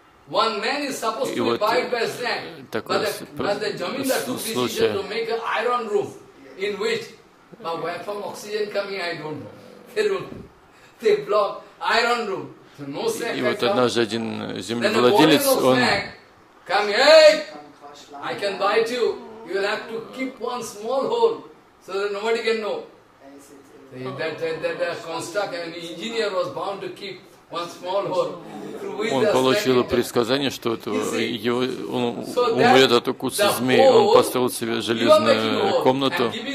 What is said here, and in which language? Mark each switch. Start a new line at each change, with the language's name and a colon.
English: One man is supposed to be bite by a snake, but the Jamindar took decision to make an iron roof in which, but where from oxygen coming, I don't know. They block iron roof. No snake.
Russian: И вот однажды один землевладелец, он,
English: come here, I can bite you. You will have to keep one small hole so that nobody can know. That construct, an engineer was bound to keep.
Russian: Он получил предсказание, что он умрет от укуса змеи. Он построил себе железную комнату.